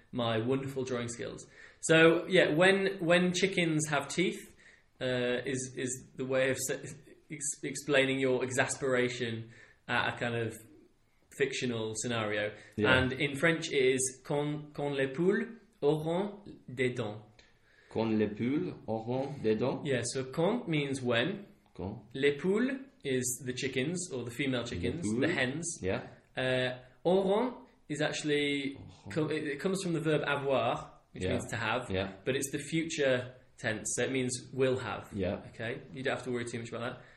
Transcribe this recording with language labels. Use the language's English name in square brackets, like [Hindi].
[English] my wonderful drawing skills. So yeah, when chickens have teeth, is the way of explaining your exasperation at a kind of fictional scenario. Yeah. And in French, it is [French] quand les poules auront des dents. Quand les poules auront des dents. [English] Yeah. So quand means when. [French] Quand. Les poules [English] is the chickens or the female chickens, the hens. Yeah. Auront is actually it comes from the verb avoir, which means to have. Yeah. But it's the future tense, so it means will have. Yeah. Okay. You don't have to worry too much about that.